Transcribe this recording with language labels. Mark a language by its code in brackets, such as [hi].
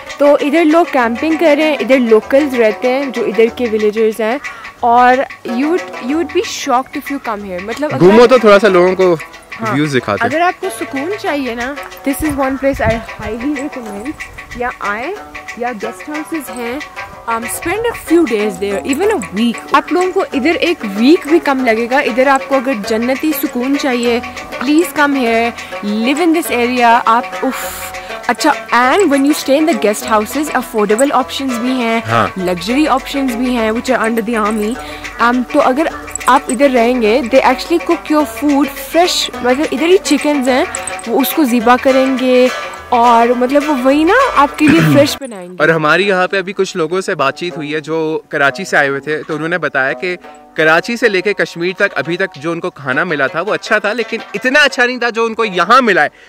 [hi] तो इधर लोग कैंपिंग कर रहे हैं, इधर लोकल्स रहते हैं जो इधर के विलेजर्स हैं, और [en] You would be shocked if you come here. [hi] मतलब घूमो तो थोड़ा सा लोगों को व्यूज दिखाते हैं। अगर आपको सुकून चाहिए ना, [en] this is one place I highly recommend, [hi] या आए, या गेस्ट हाउसेस हैं, [en] spend a few days there, even a week. [hi] आप लोगों को इधर एक वीक भी कम लगेगा। इधर आपको अगर जन्नती सुकून चाहिए, [en] please come here, live in this area. [hi] आप अच्छा, [en] and when you stay in the guest houses, affordable options [hi] भी हैं, [en] luxury options भी हैं, which are under the army. [hi] तो अगर आप इधर रहेंगे, [en] they actually cook your food fresh. [hi] मतलब इधर ही chickens हैं, वो उसको ज़िबा करेंगे, और मतलब वो वही ना आपके लिए फ्रेश बनाएंगे। और हमारी यहाँ पे अभी कुछ लोगों से बातचीत हुई है जो कराची से आए हुए थे, तो उन्होंने बताया कि कराची से लेके कश्मीर तक अभी तक जो उनको खाना मिला था वो अच्छा था, लेकिन इतना अच्छा नहीं था जो उनको यहाँ मिला है।